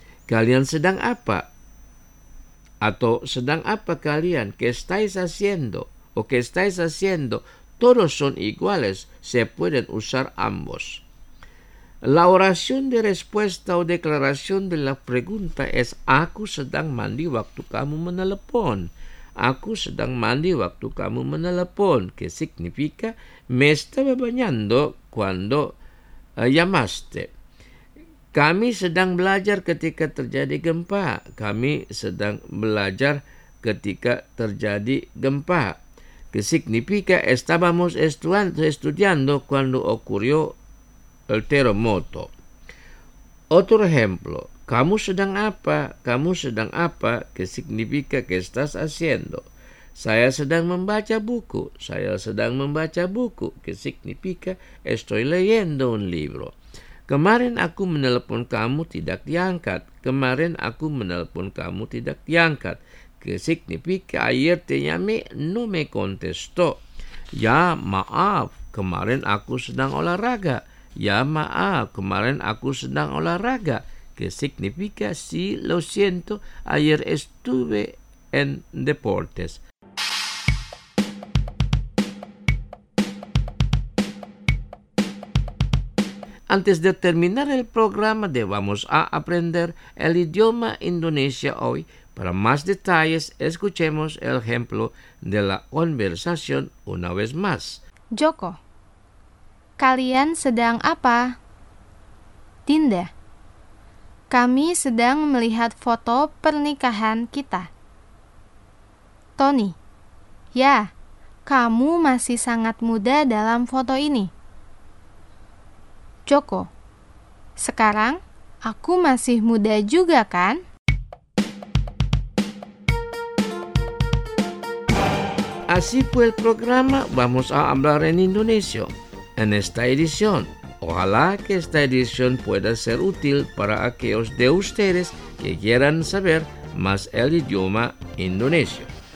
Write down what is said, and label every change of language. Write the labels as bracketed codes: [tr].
[id] Kalian sedang apa? Atau sedang apa kalian? [es] ¿Qué estáis haciendo? ¿O qué estáis haciendo? Todos son iguales. Se pueden usar ambos. La oración de respuesta o declaración de la pregunta es [id] aku sedang mandi waktu kamu menelepon. Aku sedang mandi waktu kamu menelepon. [es] Que significa me estaba bañando cuando llamaste. [id] Kami sedang belajar ketika terjadi gempa. Kami sedang belajar ketika terjadi gempa. [es] Que significa estábamos estudiando cuando ocurrió el terremoto. Otro ejemplo. [id] Kamu sedang apa? Kamu sedang apa? [es] Que significa que estás haciendo. [id] Saya sedang membaca buku. Saya sedang membaca buku. [es] Que significa estoy leyendo un libro. [id] Kemarin aku menelpon kamu tidak diangkat. Kemarin aku menelpon kamu tidak diangkat. [es] Que significa ayer te llamé, no me contestó. [id] Ya maaf, kemarin aku sedang olahraga. Ya maaf, kemarin aku sedang olahraga. [es] Que significa sí, lo siento, ayer estuve en deportes. Antes de terminar el programa, debemos aprender el idioma indonesio hoy. Para más detalles, escuchemos el ejemplo de la conversación una vez más. [id] Joko, ¿kalian sedang apa? Dinda, kami sedang melihat foto pernikahan kita. Tony, ya, kamu masih sangat muda dalam foto ini. Joko, sekarang aku masih muda juga kan? [es] Así fue el programa Vamos a Hablar en Indonesio en esta edición. Ojalá que esta edición pueda ser útil para aquellos de ustedes que quieran saber más el idioma indonesio.